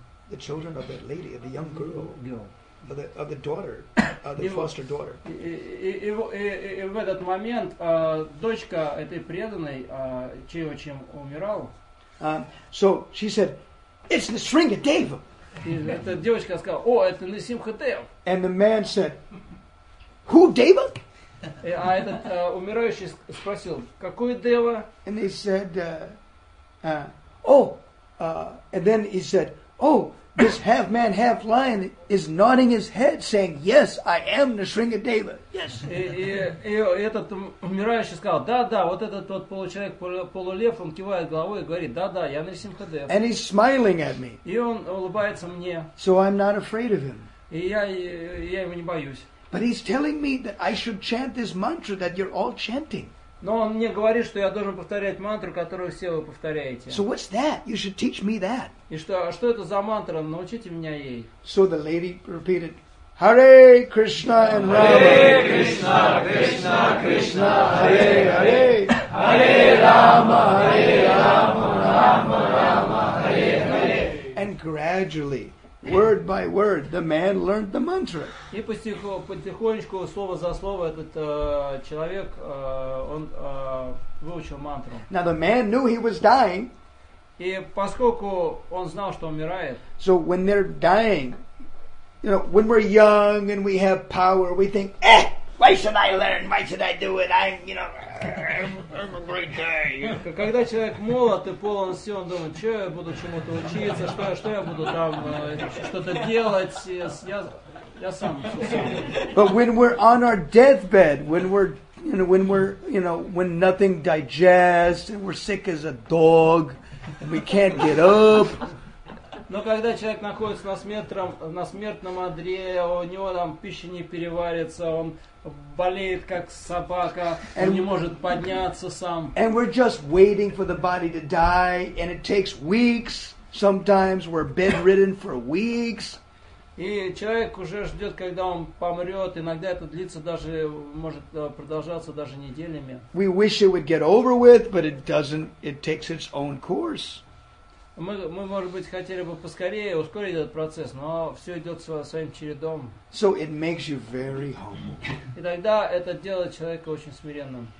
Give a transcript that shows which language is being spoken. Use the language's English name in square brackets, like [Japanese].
[English] The children of that lady, of the young girl. Of the daughter, the foster daughter. [Russian] И в этот момент дочка этой преданной, чей отчим умирал. [English] So she said, "It's the Nrsingadev." [Russian] Эта девочка сказала, это Нрсимхадев. [English] And the man said, "Who, Deva?" [Russian] А этот умирающий спросил, какой Дева? [English] And he said, and then he said, this half man, half lion is nodding his head, saying, "Yes, I am Nrsingadeva. Yes." [Russian] И этот умирающий сказал, да, вот этот тот получеловек полулев, он кивает головой и говорит, да, я Нрсимхадев. [English] And he's smiling at me. [Russian] И он улыбается мне. [English] So I'm not afraid of him. [Russian] И я его не боюсь. [English] But he's telling me that I should chant this mantra that you're all chanting. [Russian] Но он мне говорит, что я должен повторять мантру, которую все вы повторяете. [English] So what's that? You should teach me that. [Russian] И что, это за мантра? Научите меня ей. [English] So the lady repeated, "Hare Krishna and Rama." [Sanskrit] Hare Krishna, Krishna, Krishna, Hare Hare. Hare Rama, Hare Rama, Rama Rama, Hare Hare. [English] And gradually, word by word, the man learned the mantra. [Russian] И потихонечку, слово за слово, этот человек, он выучил мантру. [English] Now the man knew he was dying. [Russian] И поскольку он знал, что умирает. [English] So when they're dying, you know, when we're young and we have power, we think, why should I learn? Why should I do it? I'm a great guy. [Russian] Когда человек молод и полон сил, он думает, что я буду чему-то учиться, что я буду там что-то делать. Я сам. [English] But when we're on our deathbed, when we're, you know, when we're, you know, when nothing digests and we're sick as a dog and we can't get up. [Russian] Но когда человек находится на смертном одре, у него там пища не переварится, он болеет как собака, он не может подняться сам. [English] And we're just waiting for the body to die, and it takes weeks. Sometimes we're bedridden for weeks. [Russian] И человек уже ждет, когда он помрет. Иногда это длится даже, может продолжаться даже неделями. [English] We wish it would get over with, but it doesn't. It takes its own course. [Russian] Мы, может быть, хотели бы поскорее ускорить этот процесс, но все идет своим чередом. [English] So it makes you very humble. [Russian] И тогда это делает человека очень смиренным.